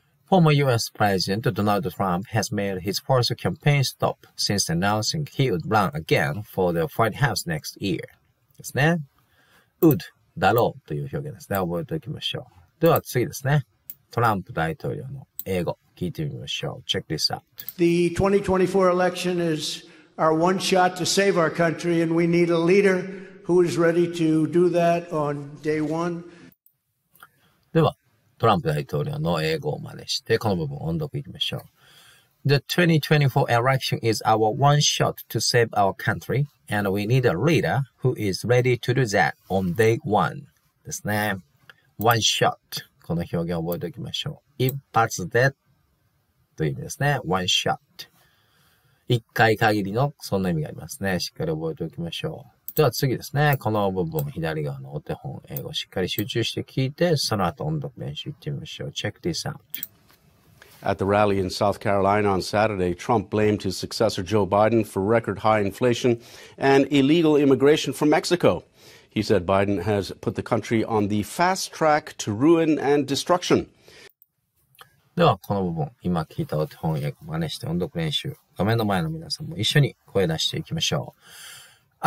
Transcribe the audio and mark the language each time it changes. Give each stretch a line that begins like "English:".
English: Former U.S. President Donald Trump has made his first campaign stop since announcing he would run again for the White House next year.
Japanese: ですね。would だろうという表現ですね。覚えておきましょう。では次ですね。トランプ大統領の英語聞いてみましょう。
English: Check this out. The 2024 election is our one shot to save our country and we need a leader who is ready to do that on day one.
Japanese: では、トランプ大統領の英語を真似してこの部分を音読いきましょう。
English: The 2024 election is our one shot to save our country, and we need a leader who is ready to do that on day one.
Japanese: ですね。
English: One shot。
Japanese: この表現を覚えておきましょう。一発でという意味ですね。
English: One shot。
Japanese: 一回限りの、そんな意味がありますね。しっかり覚えておきましょう。では次ですね。この部分、左側のお手本、英語しっかり集中して聞いて、その後音読練習行ってみましょう。
English: Check this out. At the rally in South Carolina on Saturday, Trump blamed his successor Joe Biden for record high inflation and illegal immigration from Mexico. He said Biden has put the country on the fast track to ruin and destruction.
Japanese: ではこの部分、今聞いたお手本、英語真似して音読練習。画面の前の皆さんも一緒に声出していきましょう。